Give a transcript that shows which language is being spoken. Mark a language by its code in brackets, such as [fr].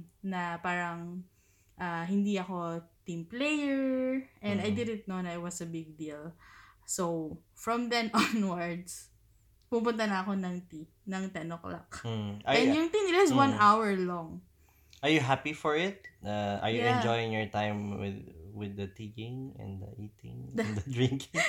[tl] Na parang hindi ako [en] team player and mm-hmm. I didn't know na it was a big deal. So, from then onwards, [tl] pupunta na ako ng tea, ng 10 o'clock. [en] And [tl] yung [en] tea nila is 1 hour long. Are you happy for it? Are you enjoying your time with the teaing and the eating and the drinking?